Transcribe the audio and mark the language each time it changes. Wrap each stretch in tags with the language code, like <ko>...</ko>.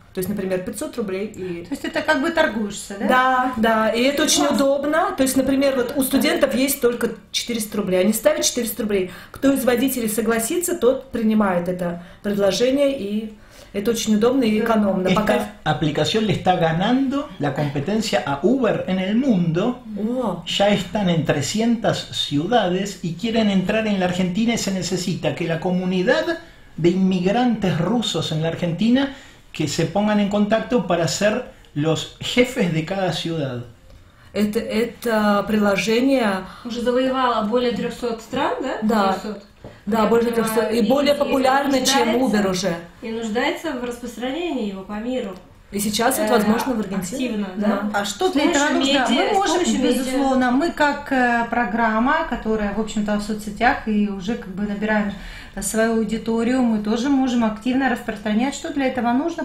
<ru>То есть, например, 500 рублей. И... То есть это как бы торгуешься, да? Да, да. И это очень удобно. То есть, например, вот у студентов есть только 400 рублей. Они ставят 400 рублей. Кто из водителей согласится, тот принимает это предложение. И это очень удобно и экономно. Эта пока...</ru> <es>аппликация le está ganando la competencia a Uber en el mundo. Ya están en 300 ciudades y quieren entrar en la Argentina y se necesita que la comunidad de inmigrantes rusos en la Argentina que se pongan en contacto para ser los jefes de cada ciudad.</es> <ru>Это приложение уже завоевало более 300 стран, да? Да, 300. Да, я более 300. И более популярно, чем Uber уже. И нуждается в распространении его по миру. И сейчас это возможно в Аргентине. Активно, да. А что для этого нужно? Да, мы можем, безусловно, мы как программа, которая, в общем-то, в соцсетях и уже как бы набираем свою аудиторию, мы тоже можем активно распространять. Что для этого нужно?</ru>